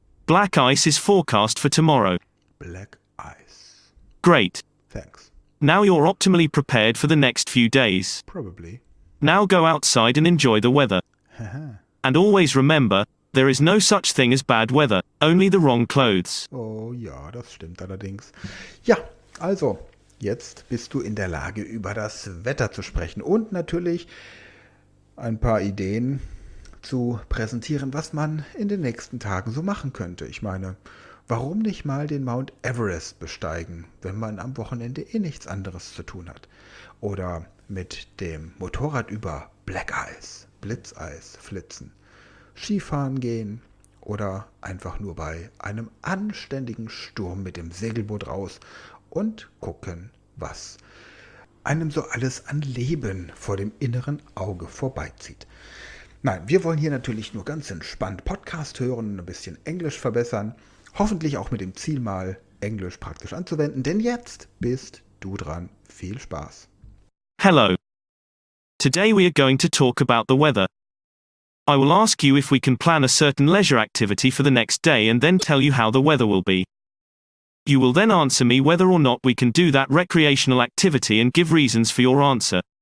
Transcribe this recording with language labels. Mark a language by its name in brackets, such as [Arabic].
[English] Black ice is forecast for tomorrow. Black ice. Great. Thanks. Now you're optimally prepared for the next few days. Probably. Now go outside and enjoy the weather. And always remember, there is no such thing as bad weather, only the wrong clothes. [German] Oh ja, das stimmt allerdings. Ja, also, jetzt bist du in der Lage, über das Wetter zu sprechen und natürlich ein paar Ideen zu präsentieren, was man in den nächsten Tagen so machen könnte. Ich meine, Warum nicht mal den Mount Everest besteigen, wenn man am Wochenende eh nichts anderes zu tun hat? Oder mit dem Motorrad über Black Ice, Blitzeis flitzen, Skifahren gehen oder einfach nur bei einem anständigen Sturm mit dem Segelboot raus und gucken, was einem so alles an Leben vor dem inneren Auge vorbeizieht. Nein, wir wollen hier natürlich nur ganz entspannt Podcast hören und ein bisschen Englisch verbessern. Hoffentlich auch mit dem Ziel, mal Englisch praktisch anzuwenden, denn jetzt bist du dran. Viel Spaß. [English] Hello. Today we are going to talk about the weather. I will ask you if we can plan a certain leisure activity for the next day and then tell you how the weather will be. You will then answer me whether or not we can do that recreational activity and give reasons for your answer.